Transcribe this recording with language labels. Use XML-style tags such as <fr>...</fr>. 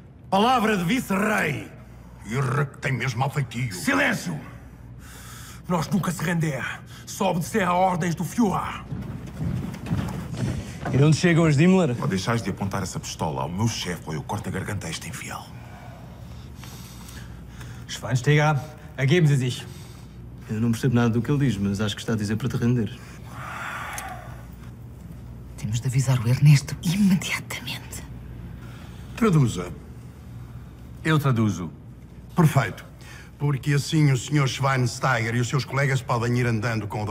<pt>Palavra de vice-rei. Irra, que tem mesmo mal feitio. Silêncio! Nós nunca se render. Só obedecer a ordens do Führer. E onde chegam os Dimmler? Ou deixais de apontar essa pistola ao meu chefe ou eu corto a garganta a este infiel.</pt> <de>Schweinsteiger, ergeben Sie sich.</de> <pt>Eu não percebo nada do que ele diz, mas acho que está a dizer para te render. Temos de avisar o Ernesto imediatamente. Traduza. Eu traduzo. Perfeito. Porque assim o Sr. Schweinsteiger e os seus colegas podem ir andando com o D.</pt>